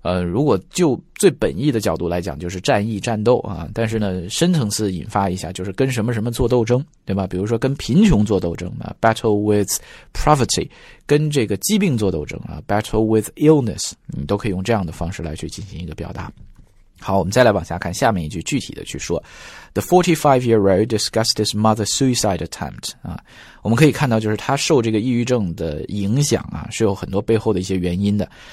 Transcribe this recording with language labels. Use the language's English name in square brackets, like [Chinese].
[Chinese] 如果就最本意的角度来讲就是战役战斗啊，但是呢深层次引发一下就是跟什么什么做斗争，对吧？比如说跟贫穷做斗争啊 , [English] battle with poverty, [Chinese] 跟这个疾病做斗争啊 , [English] battle with illness, [Chinese] 你都可以用这样的方式来去进行一个表达。好，我们再来往下看下面一句具体的去说。 [English] The 45-year-old discussed his mother's suicide attempt. [Chinese] 啊，我们可以看到就是他受这个抑郁症的影响啊是有很多背后的一些原因的。